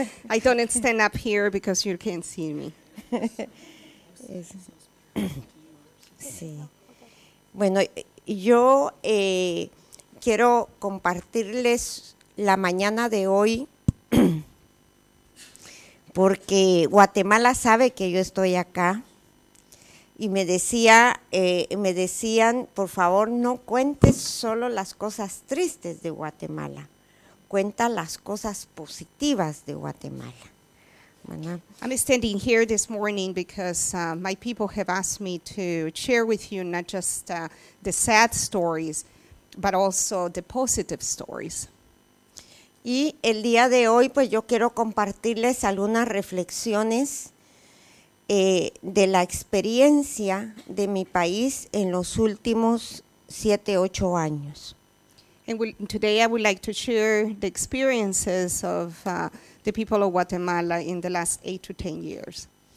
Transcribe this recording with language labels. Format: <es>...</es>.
<en>I don't stand up here because you can't see me.</en> <es>Sí. Bueno, yo quiero compartirles la mañana de hoy. Porque Guatemala sabe que yo estoy acá y me decían, por favor, no cuentes solo las cosas tristes de Guatemala, cuenta las cosas positivas de Guatemala.</es> <en>I'm standing here this morning because my people have asked me to share with you not just the sad stories, but also the positive stories.</en> <es>Y el día de hoy, pues yo quiero compartirles algunas reflexiones de la experiencia de mi país en los últimos 7-8 años.</es> <en>And today I would like to share the experiences of the people of Guatemala in the last 8-10 years.</en>